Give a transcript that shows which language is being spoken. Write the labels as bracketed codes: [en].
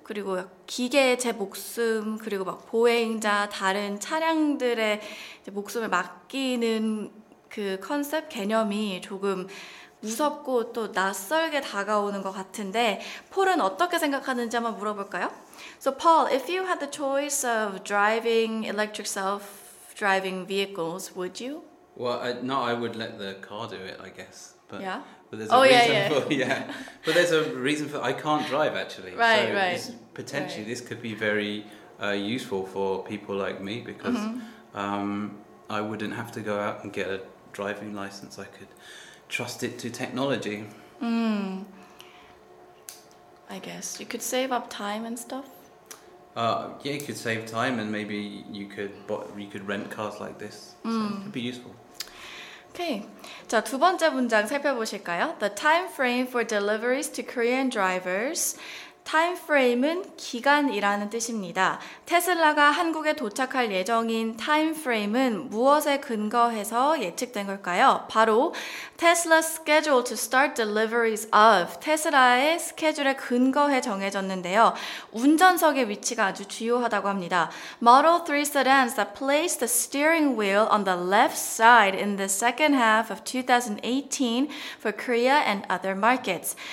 [ko] 그리고 기계의 제 목숨, 그리고 막 보행자, 다른 차량들의 이제 목숨을 맡기는 그 컨셉, 개념이 조금 무섭고 또 낯설게 다가오는 것 같은데 폴은 어떻게 생각하는지 한번 물어볼까요? [en] So Paul, if you had the choice of driving electric self-driving vehicles, would you? Well, I would let the car do it, I guess. But, yeah? But there's a But there's a reason for I can't drive actually. Right. This could be very useful for people like me because I wouldn't have to go out and get a driving license. I could trust it to technology. I guess you could save up time and stuff. Yeah, you could save time and maybe you could rent cars like this. So it could be useful. Okay. [ko] 자, 두 번째 문장 살펴보실까요? [en] The time frame for deliveries to Korean drivers. [ko] Time frame은 기간이라는 뜻입니다. 테슬라가 한국에 도착할 예정인 time frame은 무엇에 근거해서 예측된 걸까요? [en] 바로 Tesla's schedule to start deliveries of [ko] 테슬라의 스케줄에 근거해 정해졌는데요. 운전석의 위치가 아주 주요하다고 합니다. [en] Model 3 sedans that place the steering wheel on the left side in the second half of 2018 for Korea and other markets.